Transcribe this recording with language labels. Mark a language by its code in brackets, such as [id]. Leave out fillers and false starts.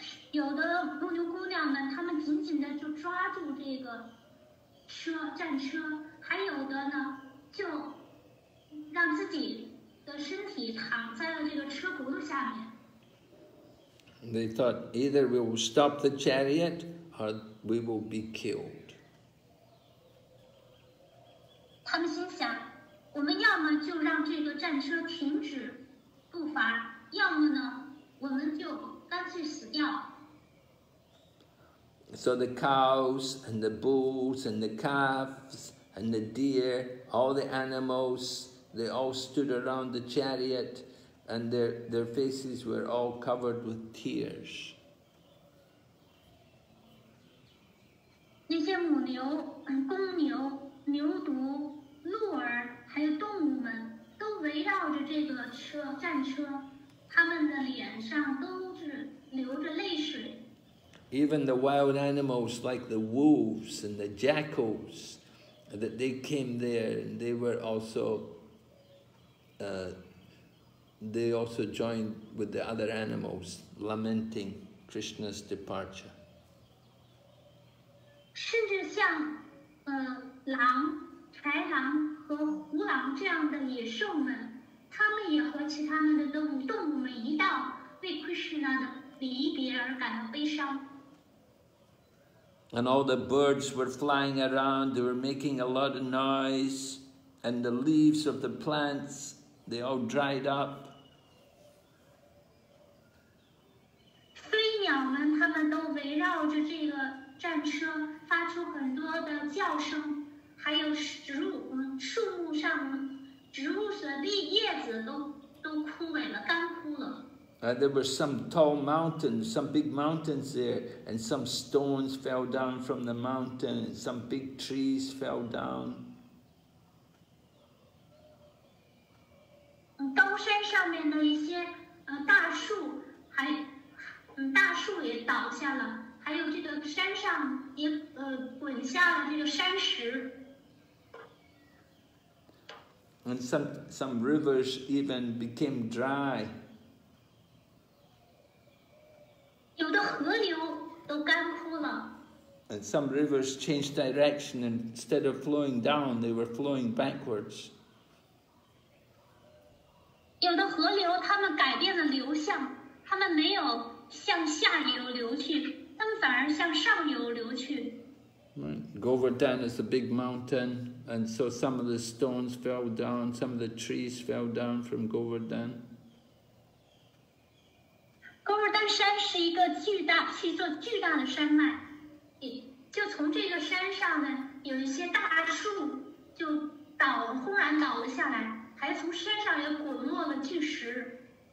[zh] 有的牧牛姑娘们，她们紧紧的就抓住这个车战车，还有的呢，就让自己的身体躺在了这个车轱辘下面。 [en] They thought either we will stop the chariot or we will be killed. [zh] 他们心想，我们要么就让这个战车停止步伐，要么呢，我们就干脆死掉。 [en] So the cows and the bulls and the calves and the deer, all the animals, they all stood around the chariot And their faces were all covered with tears. [zh] 那些母牛、公牛、牛犊、鹿儿，还有动物们，都围绕着这个车战车，他们的脸上都是流着泪水。 [en] Even the wild animals like the wolves and the jackals, that they came there, they were also, they also joined with the other animals lamenting Krishna's departure. [zh] 甚至像，狼、豺狼和虎狼这样的野兽们，他们也和其他们的动物们一道为 Krishna 的离别而感到悲伤。 [en] And all the birds were flying around, they were making a lot of noise, and the leaves of the plants, they all dried up. [zh] 飞鸟们他们都围绕着这个战车发出很多的叫声，还有植物的叶子都枯萎了，干枯了。 [en] There were some tall mountains, some big mountains there, and some stones fell down from the mountain, and some big trees fell down. [zh] 高山上面的一些大树也倒下了，还有这个山上也滚下了这个山石。 [en] And some rivers even became dry. [zh] 有的河流都干枯了。 [en] And some rivers changed direction, and instead of flowing down, they were flowing backwards. [zh] 有的河流它们改变了流向，它们没有向下游流去，它们反而向上游流去。 [en] Govardhan is a big mountain, and so some of the stones fell down, some of the trees fell down from Govardhan. [zh] 高尔丹山是一个巨大的山脉，就从这个山上呢，有一些大树就忽然倒了下来，还从山上也滚落了巨石。